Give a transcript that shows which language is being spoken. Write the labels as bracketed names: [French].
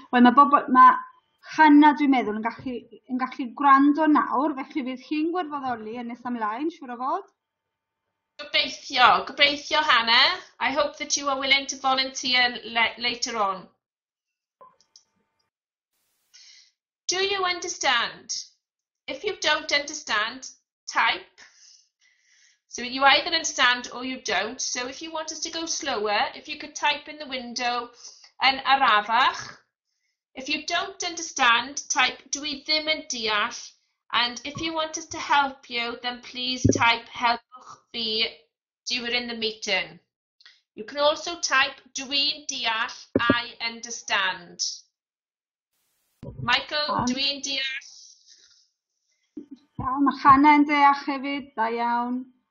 [Welsh] Wel, mae bobl, mae Hannah, dwi'n meddwl, yn gallu gwrando nawr, felly bydd chi'n gwirfoddoli yn nes ymlaen, siŵr o fod? Gobeithio, gobeithio, Hannah. [English] I hope that you are willing to volunteer later on. Do you understand? If you don't understand, type. So you either understand or you don't. So if you want us to go slower, if you could type in the window [Welsh] yn arafach. [English] If you don't understand, type [Welsh] dwi ddim yn deall, [English] and if you want us to help you, then please type [Welsh] helpwch fi [English] during the meeting. You can also type [Welsh] dwi'n deall, [English] I understand. [Welsh] Michael, dwi'n deall. Mae Hannah yn deall hefyd, da iawn.